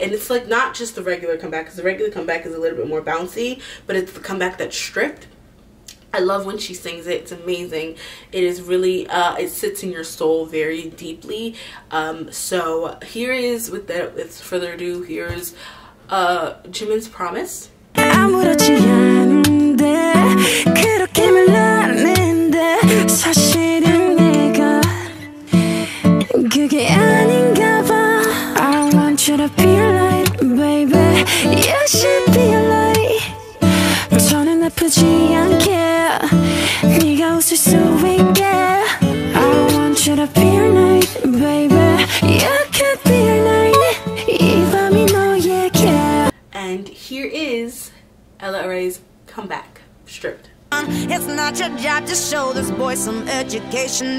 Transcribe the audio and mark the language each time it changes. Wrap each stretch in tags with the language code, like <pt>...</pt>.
<en>And it's like not just the regular comeback, because the regular comeback is a little bit more bouncy, but it's the comeback that's stripped. I love when she sings it. It's amazing. It is really, it sits in your soul very deeply. So here is, with that, with further ado, here is Jimin's Promise.</en> <ko>아무렇지 않은데 그렇게 말하는데 사실은 내가 그게 아닌가 봐.</ko> <en>I want you to be light, baby. You should be light.</en> <ko>저는 아프지 않게 네가 웃을 수 있게.</ko> <en>I want you to be your night, baby. You could be your night.</en> <ko>이 밤이 너에게.</ko> <en>And here is Ella Ray's Comeback, stripped. It's not your job to show this boy some education.</en>